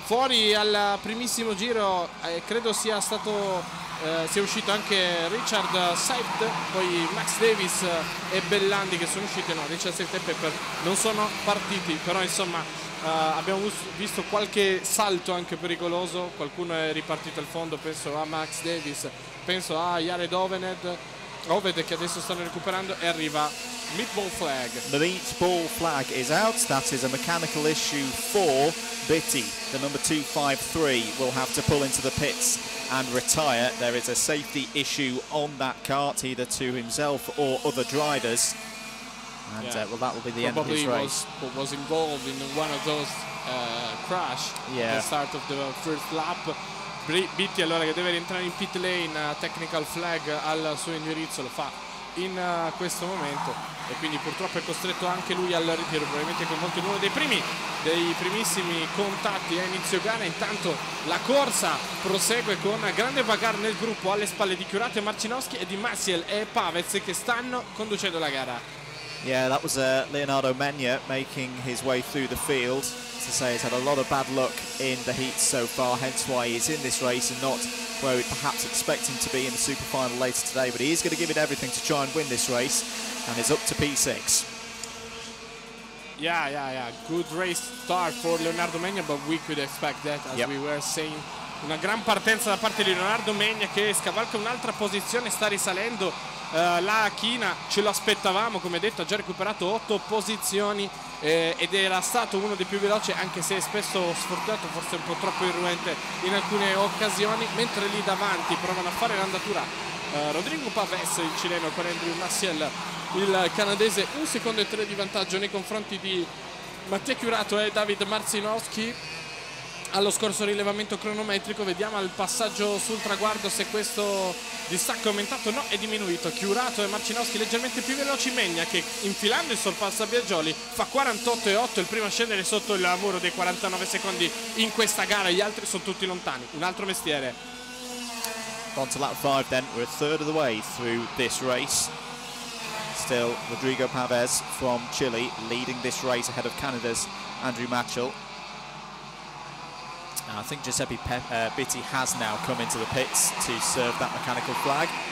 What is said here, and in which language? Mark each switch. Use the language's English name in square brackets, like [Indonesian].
[Italian] fuori al primissimo giro, credo sia stato sia uscito anche Richard Seift, poi Max Davis e Bellandi che sono usciti, no, Richard Seift e Pepper non sono partiti, però insomma abbiamo visto qualche salto anche pericoloso, qualcuno è ripartito al fondo, penso a Max Davis, penso a Jared Oved che adesso stanno recuperando, e arriva Meatball Flag. [English] The Meatball Flag is out. That is a mechanical issue for Bitty. The number 253 will have to pull into the pits and retire. There is a safety issue on that cart, either to himself or other drivers. And yeah. Well, that will be the probably end of his race. Probably was involved in one of those crash yeah. at the start of the first lap. [Italian] Bitty allora che deve rientrare in pit lane, technical flag al suo indirizzo, lo fa in questo momento e quindi purtroppo è costretto anche lui al ritiro, probabilmente con molti, uno dei primi, dei primissimi contatti a inizio gara. Intanto la corsa prosegue con grande bagarre nel gruppo alle spalle di Curato e Marcinowski e di Maciel e Pavez che stanno conducendo la gara. [English] Yeah, that was Leonardo Meña making his way through the field. As I say, he's had a lot of bad luck in the heat so far, hence why he's in this race and not where we'd perhaps expect him to be in the super final later today. But he is going to give it everything to try and win this race, and it's up to P6. Yeah. Good race start for Leonardo Meña, but we could expect that, as we were saying. [Italian] Una gran partenza da parte di Leonardo Meña che scavalca un'altra posizione, sta risalendo. La china ce lo aspettavamo, come detto ha già recuperato 8 posizioni ed era stato uno dei più veloci, anche se è spesso sfortunato, forse un po' troppo irruente in alcune occasioni, mentre lì davanti provano a fare l'andatura Rodrigo Pavés il cileno con Andrew Maciel il canadese, 1 secondo e 3 di vantaggio nei confronti di Mattia Curato e David Marcinowski allo scorso rilevamento cronometrico. Vediamo al passaggio sul traguardo se questo distacco è aumentato, no, è diminuito. Curato e Marcinowski leggermente più veloci, Meña che infilando il sorpassa Biagioli fa 48,8, il primo a scendere sotto il muro dei 49 secondi in questa gara, gli altri sono tutti lontani, un altro mestiere. [English] On to lap 5 then, we're a third of the way through this race. Still Rodrigo Pavés from Chile leading this race ahead of Canada's Andrew Maciel. I think Giuseppe Bitty has now come into the pits to serve that mechanical flag.